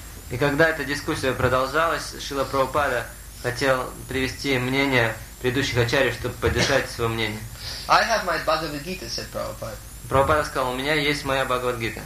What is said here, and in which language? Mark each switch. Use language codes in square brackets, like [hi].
[ru] И когда эта дискуссия продолжалась, Шрила Прабхупада хотел привести мнение предыдущих ачарьев, чтобы поддержать свое мнение. [en] I have my Bhagavad Gita, said Prabhupada. [ru] Прабхупада сказал, у меня есть моя Бхагавад Гита.